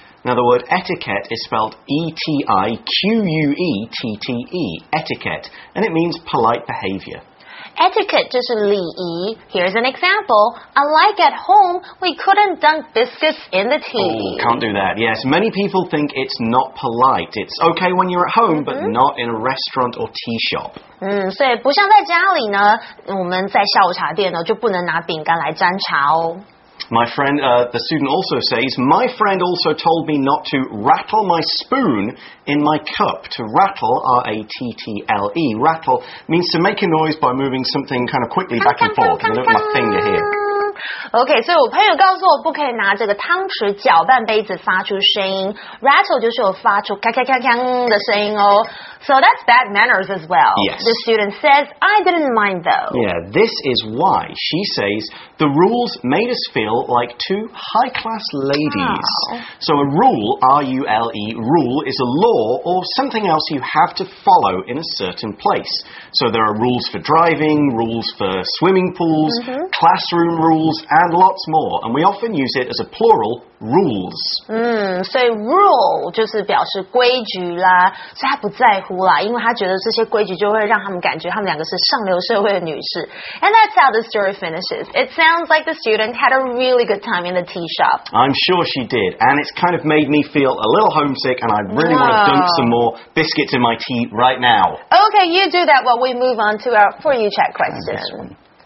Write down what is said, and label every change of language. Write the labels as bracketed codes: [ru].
[en] Now the word etiquette is spelled E-T-I-Q-U-E-T-T-E, etiquette, and it means polite behavior. Etiquette [zh] 就是礼仪。 [en] Here's an example. Unlike at home, we couldn't dunk biscuits in the tea. Oh, can't do that. Yes, many people think it's not polite. It's okay when you're at home, but not in a restaurant or tea shop. [zh] 所以不像在家里呢，我们在下午茶店呢，就不能拿饼干来沾茶哦。 [en] My friend, the student also says, my friend also told me not to rattle my spoon in my cup. To rattle, R-A-T-T-L-E. Rattle means to make a noise by moving something kind of quickly back and forth. Look at my finger here. [zh] Okay, 所以我朋友告诉我不可以拿这个汤匙搅拌杯子发出声音。 Rattle 就是我发出咔咔咔咔的声音哦。 [en] So that's bad manners as well. Yes. The student says, I didn't mind though. Yeah, this is why she says, the rules made us feel like two high-class ladies. Wow. So a rule, R-U-L-E, rule is a law or something else you have to follow in a certain place. So there are rules for driving, rules for swimming pools, classroom rules, and lots more. And we often use it as a plural, rules. [zh] So rule 就是表示规矩啦，所以他不在乎啦，因为他觉得这些规矩就会让他们感觉他们两个是上流社会的女士。 [en] And that's how the story finishes. It sounds like the student had a really good time in the tea shop. I'm sure she did, and it's kind of made me feel a little homesick, and I really want to dunk some more biscuits in my tea right now. Okay, you do that while we move on to our For You Chat question.